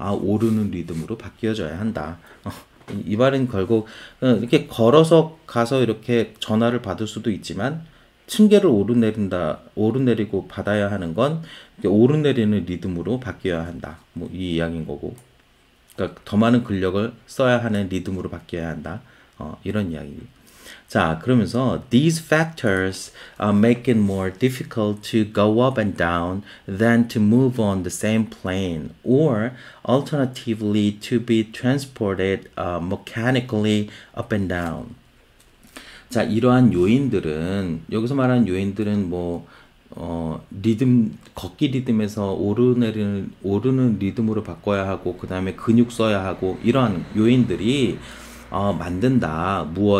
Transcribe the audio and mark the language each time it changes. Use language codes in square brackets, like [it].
[ko] 오르는 리듬으로 바뀌어져야 한다. 이 말은 결국, 이렇게 걸어서 가서 이렇게 전화를 받을 수도 있지만, 층계를 오르내리고 받아야 하는 건 오르내리는 리듬으로 바뀌어야 한다. 뭐이 이야기인 거고. 그러니까 더 많은 근력을 써야 하는 리듬으로 바뀌어야 한다. 이런 이야기. 자, 그러면서 [en] these factors make it more difficult to go up and down than to move on the same plane or alternatively to be transported mechanically up and down. [ko] 자, 이러한 요인들은, 여기서 말하는 요인들은 뭐, 걷기 리듬에서 오르는 리듬으로 바꿔야 하고, 그 다음에 근육 써야 하고, 이러한 요인들이, 만든다.